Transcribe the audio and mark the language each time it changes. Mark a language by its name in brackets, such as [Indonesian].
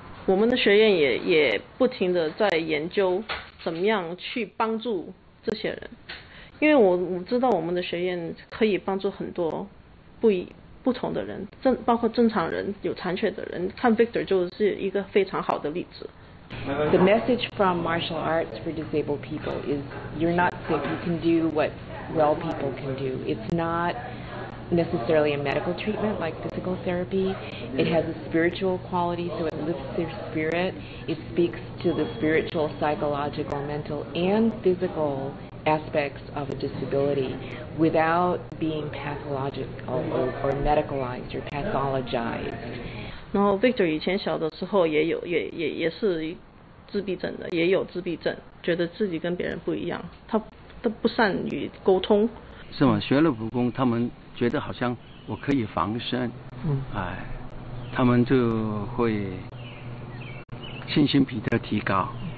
[Chinese] 我们的学院也不停的在研究怎么样去帮助这些人，因为我知道我们的学院可以帮助很多不同的人，包括正常人、有残缺的人，看 Victor 就是一个非常好的例子。 [English] The message from martial arts for disabled people is you're not sick, you can do what well people can do. It's not necessarily a medical treatment like physical therapy. It has a spiritual quality, so it lifts their spirit. It speaks to the spiritual, psychological, mental, and physical aspects of a disability without being pathological or medicalized or pathologized. [Chinese] 然后 Victor 以前小的时候也是自闭症的，也有自闭症，觉得自己跟别人不一样，他不善于沟通。是吗？学了武功，他们觉得好像我可以防身，嗯，哎，他们就会信心比较提高。